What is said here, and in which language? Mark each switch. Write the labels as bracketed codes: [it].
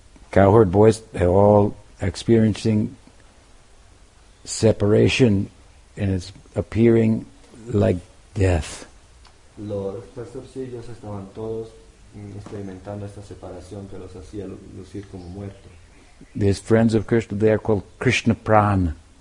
[en] Cowherd boys, they're all experiencing separation and it's appearing like death. [es] Los cerdillos estaban todos experimentando esta separación que los hacía lucir como muertos. [en] These friends of Krishna, they are called Krishna Prana.